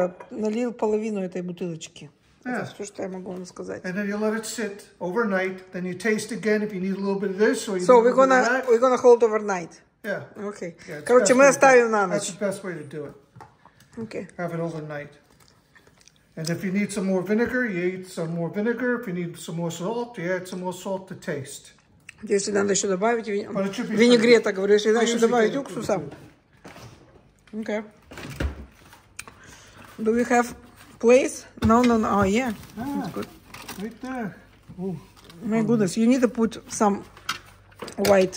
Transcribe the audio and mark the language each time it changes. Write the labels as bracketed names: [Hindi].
[Russian] Налил половину этой бутылочки. [English] Yeah. [Russian] Это все, что я могу вам сказать. [English] And then you let it sit overnight. Then you taste again if you need a little bit of this or you so we're gonna hold overnight. Yeah. Okay. Yeah, [Russian] короче, мы оставим на ночь. [English] That's the best way to do it. Okay. Have it overnight. And if you need some more vinegar, you eat some more vinegar. If you need some more salt, you add some more salt to taste. [Russian] Если надо еще добавить винегрета, говорю, если надо еще добавить уксуса. [English] Okay. Do we have place? No. Oh, yeah. That's good. Right there. Ooh. My goodness. You need to put some white.